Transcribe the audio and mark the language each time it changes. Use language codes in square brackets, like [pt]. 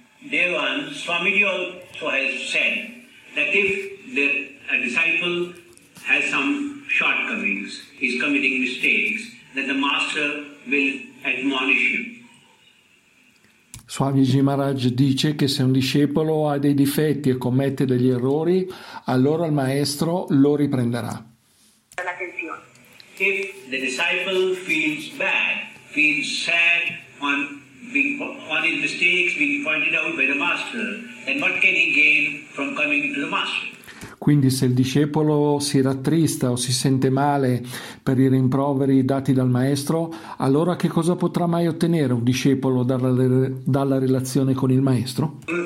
[en] Dear one, Swamiji also has said that if a disciple has some shortcomings, is committing mistakes, then the master will admonish him. [it] Swamiji Maharaj dice che se un discepolo ha dei difetti e commette degli errori, allora il maestro lo riprenderà. [en] If the disciple feels bad, feels sad on his mistakes being pointed out by the master, then what can he gain from coming to the master? [it] Quindi se il discepolo si rattrista o si sente male per i rimproveri dati dal maestro, allora che cosa potrà mai ottenere un discepolo dalla relazione con il maestro?